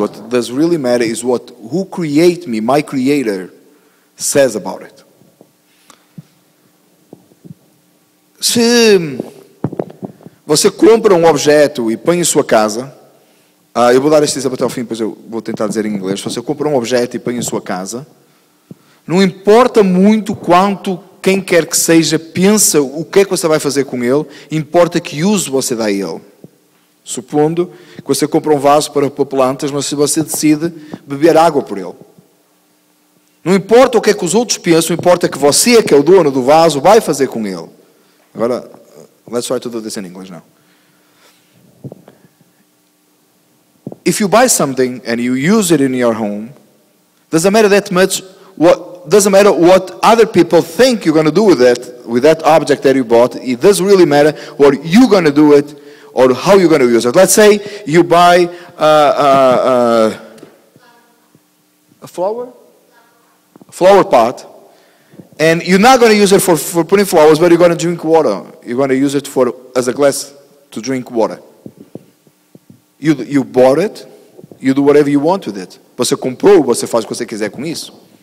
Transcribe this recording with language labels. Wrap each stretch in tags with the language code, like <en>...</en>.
<en>What does really matter is what who created me, my Creator, says about it.</en> <pt>Se você compra um objeto e põe em sua casa, eu vou dar este exemplo até ao fim, depois eu vou tentar dizer em inglês. Se você compra um objeto e põe em sua casa, não importa muito quanto quem quer que seja pensa o que é que você vai fazer com ele, importa que uso você dá a ele. Supondo que você compra um vaso para pôr plantas, mas se você decide beber água por ele. Não importa o que é que os outros pensam, importa que você, que é o dono do vaso, vai fazer com ele.</pt> <en>Agora, let's try to do this in English now. If you buy something and you use it in your home, doesn't matter that much what, doesn't matter what other people think you're going to do with that object that you bought, it does really matter what you're going to do it or how you're going to use it. Let's say you buy a flower? Flower pot, and you're not going to use it for putting flowers, but you're going to drink water. You're going to use it for as a glass to drink water. You bought it, you do whatever you want with it.</en> <pt>Você comprou, você faz o que você quiser com isso.</pt>